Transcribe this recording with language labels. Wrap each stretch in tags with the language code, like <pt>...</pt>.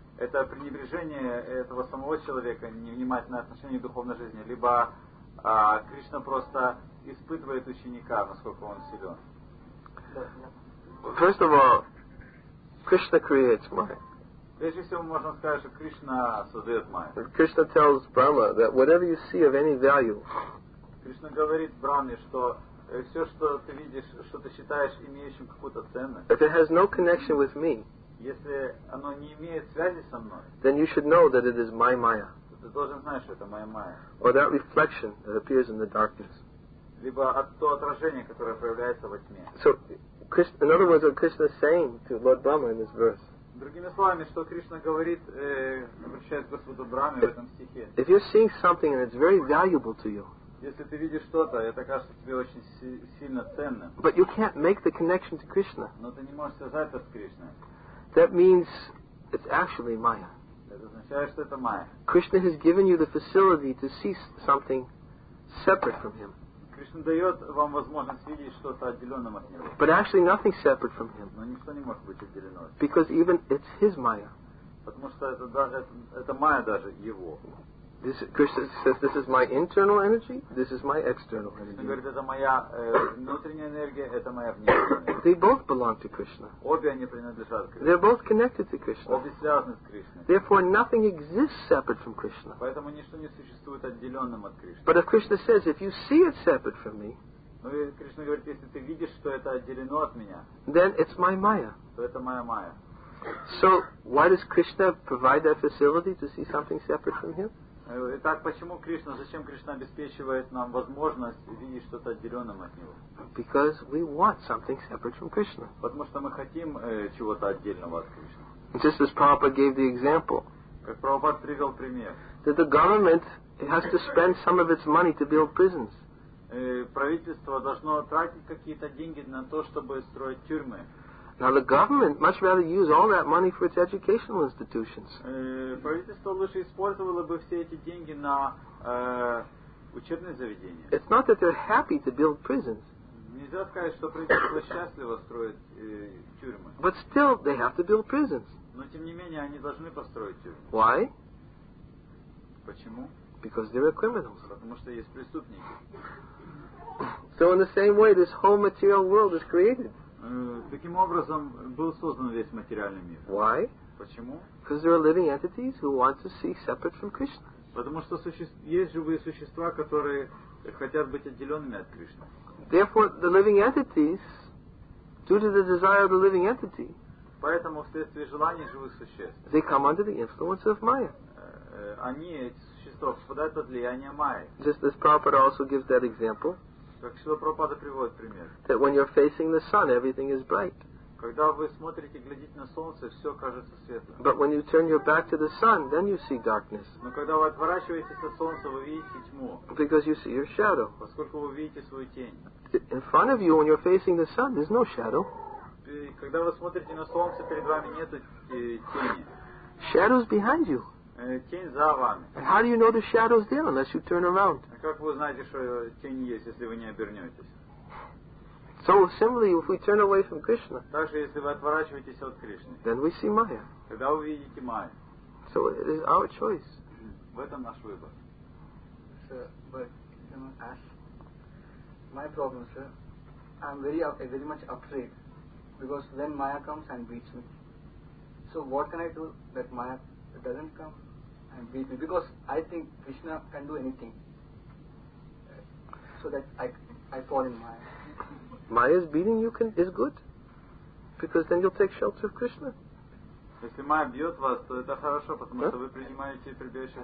<ru>Это пренебрежение этого самого человека, невнимательное отношение к духовной жизни, либо Кришна просто... испытывает ученика, насколько он силен.</ru> <en>First of all, Krishna creates Maya.</en> <ru>Прежде всего, можно сказать, что Кришна создает Майя.</ru> <en>Krishna tells Brahma that whatever you see of any value.</en> <ru>Кришна говорит Брахме, что все, что ты видишь, что ты считаешь имеющим какую-то ценность.</ru> <en>If it has no connection with me.</en> <ru>Если оно не имеет связи со мной.</ru> <en>Then you should know that it is my Maya.</en> <ru>Ты должен знать, что это моя Майя.</ru> <en>Or that reflection that appears in the darkness.</en> <ru>Либо от то отражение, которое проявляется во тьме.</ru> <en>So, in other words, what Krishna is saying to Lord Brahma in this verse.</en> <ru>Другими словами, что Кришна говорит, обращаясь к Господу Брахме в этом стихе.</ru> <en>If you're seeing something and it's very valuable to you.</en> <ru>Если ты видишь что-то, это кажется тебе очень сильно ценным.</ru> <en>But you can't make the connection to Krishna.</en> <ru>Но ты не можешь связать это с Кришной.</ru> <en>That means it's actually Maya.</en> <ru>Это означает, что это Maya.</ru> <en>Krishna has given you the facility to see something separate from Him.</en> <ru>Кришна дает вам возможность видеть что-то отделенным от него.</ru> <en>But actually nothing separate from him.</en> <ru>Но ничто не может быть отделено.</ru> <en>Because even it's his Maya.</en> <ru>Потому что это Maya даже его.</ru> <en>This Krishna says this is my internal energy, this is my external energy.</en> <ru>Кришна говорит, это моя внутренняя энергия, это моя внешняя энергия.</ru> <en>They both belong to Krishna.</en> <ru>Обе они принадлежат Кришне.</ru> <en>They're both connected to Krishna.</en> <ru>Обе связаны с Кришной.</ru> <en>Therefore nothing exists separate from Krishna.</en> <ru>Поэтому ничто не существует отделенным от Кришны.</ru> <en>But if Krishna says, if you see it separate from me,</en> <ru>но Кришна говорит, если ты видишь, что это отделено от меня,</ru> <en>then it's my Maya.</en> <ru>То это моя Maya.</ru> <en>So why does Krishna provide that facility to see something separate from him?</en> <ru>Итак, почему Кришна, зачем Кришна обеспечивает нам возможность видеть что-то отделенным от Него?</ru> <en>Because we want something separate from Krishna.</en> <ru>Потому что мы хотим чего-то отдельного от Кришны.</ru> <en>Just as Prabhupada gave the example.</en> <ru>Как Прабхупада привел пример.</ru> <en>That the government has to spend some of its money to build prisons.</en> <ru>Правительство должно тратить какие-то деньги на то, чтобы строить тюрьмы.</ru> <en>Now the government much rather use all that money for its educational institutions.</en> <ru>Правительство лучше использовало бы все эти деньги на учебные заведения.</ru> <en>It's not that they're happy to build prisons.</en> <ru>Нельзя сказать, что правительство счастливо строит тюрьмы.</ru> <en>But still, they have to build prisons.</en> <ru>Но тем не менее они должны построить тюрьмы.</ru> <en>Why?</en> <ru>Почему?</ru> <en>Because they're criminals.</en> <ru>Потому что есть преступники.</ru> <en>So in the same way, this whole material world is created.</en> <ru>Таким образом был создан весь материальный мир.</ru> <en>Why?</en> <ru>Почему?</ru> <en>Because there are living entities who want to see separate from Krishna.</en> <ru>Потому что есть живые существа, которые хотят быть отделенными от Кришны.</ru> <en>Therefore, the living entities, due to the desire of the living entity,</en> <ru>поэтому вследствие желаний живых существ,</ru> <en>they come under the influence of Maya.</en> <ru>Они эти существа попадают под влияние Майи.</ru> <en>Just as Prabhupada also gives that example.</en> <ru>Как Шрила Прабхупада приводит пример.</ru> <en>That when you're facing the sun, everything is bright.</en> <ru>Когда вы смотрите, глядите на солнце, все кажется светлым.</ru> <en>But when you turn your back to the sun, then you see darkness.</en> <ru>Но когда вы отворачиваетесь от солнца, вы видите тьму.</ru> <en>Because you see your shadow.</en> <ru>Поскольку вы видите свою тень.</ru> <en>In front of you, when you're facing the sun, there's no shadow.</en> <ru>Когда вы смотрите на солнце, перед вами нет тени.</ru> <en>Shadow's behind you.</en> <ru>Тень за вами.</ru> <en>And how do you know the shadow's there unless you turn around?</en> <ru>Как вы знаете, что тень есть, если вы не обернетесь?</ru> <en>So similarly, if we turn away from Krishna,</en> <ru>также если вы отворачиваетесь от Кришны,</ru> <en>then we see Maya.</en> <ru>Тогда вы видите Майю.</ru> <en>So it is our choice.</en> <ru>В этом наш выбор.</ru> <en>Sir, but can I ask my problem, sir? I'm very much afraid because then Maya comes and beats me. So what can I do that Maya doesn't come and beat me? Because I think Krishna can do anything. So that I fall in Maya. Maya's beating you is good, because then you'll take shelter of Krishna.</en> <ru>Если Майя бьет вас, то это хорошо, потому что вы принимаете прибежище</ru>